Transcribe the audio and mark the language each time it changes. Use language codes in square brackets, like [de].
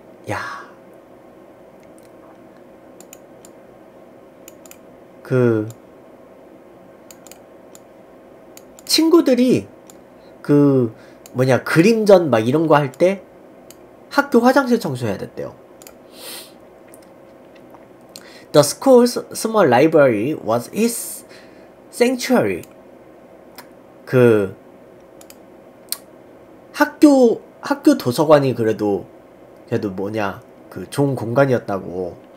[ko] 야, 그 친구들이 그 뭐냐 그림전 막 이런 거할때 학교 화장실 청소해야 됐대요. [en] The school's small library was his sanctuary. 그 [ko] 학교 도서관이 그래도 뭐냐, 그 좋은 공간이었다고.